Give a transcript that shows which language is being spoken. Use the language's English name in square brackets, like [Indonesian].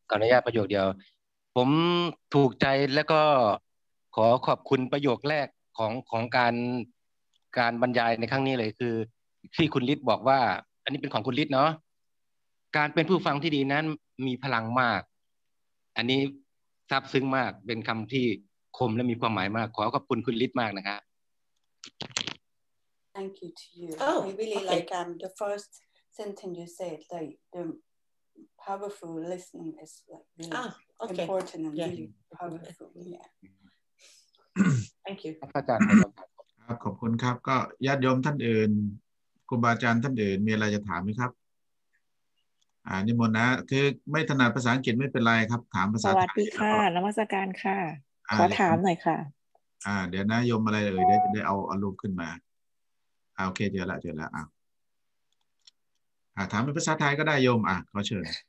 [Thai] ขออนุญาตประโยคเดียวผมถูกใจแล้วก็ขอขอบคุณประโยคแรกของการบรรยายในครั้งนี้เลยคือที่คุณฤทธิ์บอกว่าอันนี้เป็นของคุณฤทธิ์เนาะการเป็นผู้ฟังที่ดีนั้นมีพลังมากอันนี้ซับซึ้งมากเป็นคำที่คมและมีความหมายมากขอขอบคุณคุณฤทธิ์มากนะครับ [English] Thank you to you I really like the firstSentence you said, like the powerful listening is like really important and really powerful. Yeah. Thank you. [Thai] ครับขอบคุณครับก็ญาติโยมท่านอื่นครูบาอาจารย์ท่านอื่นมีอะไรจะถามไหมครับนิมนต์นะคือไม่ถนัดภาษาอังกฤษไม่เป็นไรครับถามภาษา สวัสดีค่ะนมัสการค่ะขอถามหน่อยค่ะ เดี๋ยวนะโยมอะไรเอ่ยได้เอาลูกขึ้นมาโอเคเจอแล้วถามเป็นภาษาไทยก็ได้โยมขอเชิญ